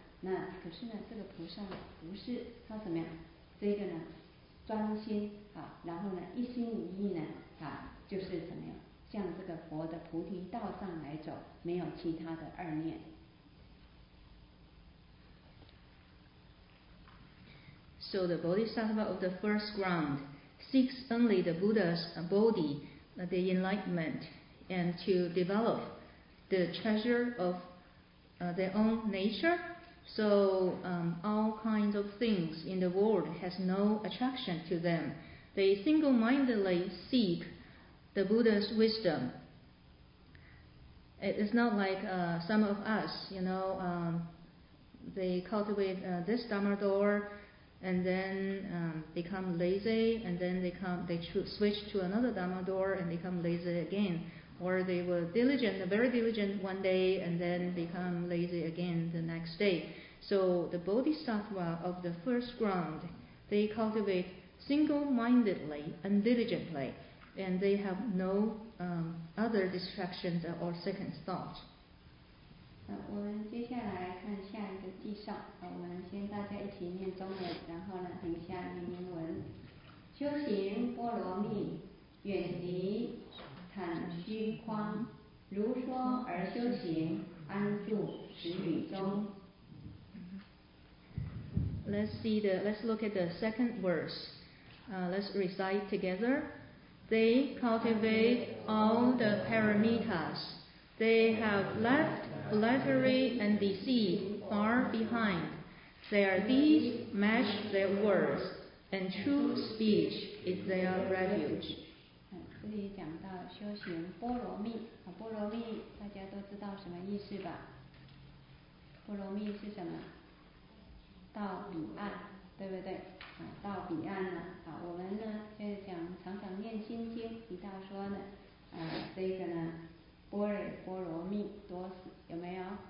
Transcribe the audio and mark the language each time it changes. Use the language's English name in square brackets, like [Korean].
[Chinese] 那可是呢，这个菩萨不是他怎么样？这个呢，专心啊，然后呢，一心一意呢啊，就是怎么样，向这个佛的菩提道上来走，没有其他的二念。 [English] So the Bodhisattva of the first ground seeks only the Buddha's Bodhi, the enlightenment, and to develop the treasure of their own nature. So all kinds of things in the world has no attraction to them. They single-mindedly seek the Buddha's wisdom. It is not like some of us, you know, they cultivate this Dharma door and then become lazy, and then they switch to another Dharma door and become lazy again. Or they were diligent, very diligent one day and then become lazy again the next day. So the Bodhisattva of the first ground, they cultivate single-mindedly and diligently. and they have no other distractions or second thoughts. [Chinese] 我们接下来看下一个地上，我们先大家一起念中文，然后呢停下念英文。修行波罗蜜，远离坦虚框，如说而修行，安住时语中。 [English] Let's see the. Let's look at the second verse. Let's recite together. They cultivate all the paramitas. They have left flattery and deceit far behind. Their deeds match their words, and true speech is their refuge. [Chinese] 这里讲到修行波罗蜜，波罗蜜大家都知道什么意思吧？波罗蜜是什么？到彼岸，对不对？到彼岸了。好，我们呢就是讲常常念心经，提到说呢，这个呢，波罗蜜多时有没有？